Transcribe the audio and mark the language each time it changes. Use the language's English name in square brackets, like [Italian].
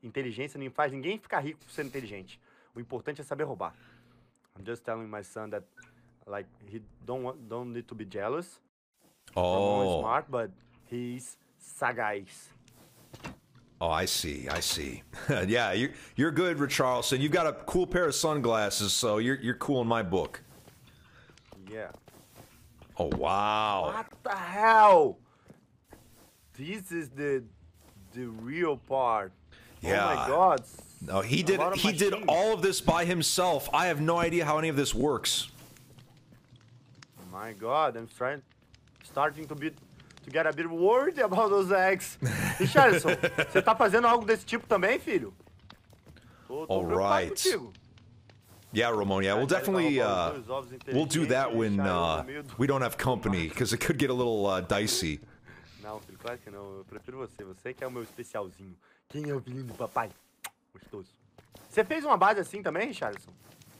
[Portuguese] Inteligência não faz ninguém ficar rico por ser inteligente. O importante é saber roubar. [English] I'm just telling my son that, like, he don't need to be jealous. Oh. He's not smart, but he's sagaz. Oh, I see. I see. Yeah, you're good, Richarlison. You've got a cool pair of sunglasses, so you're cool in my book. Yeah. Oh, wow. What the hell? This is the real part. Yeah. Oh my god. No, he did all of this by himself. I have no idea how any of this works. My god, I'm starting to get a bit worried about those eggs. [Portuguese] Richardson, você tá fazendo algo desse tipo também, filho? [English] All right. Yeah, Ramon, yeah, we'll definitely, we'll do that when, we don't have company, because it could get a little, dicey. [Portuguese] Não, filho, claro que não, eu prefiro você, você que é o meu especialzinho. Quem é o menino, papai? Gostoso. Você fez uma base assim também, Richardson?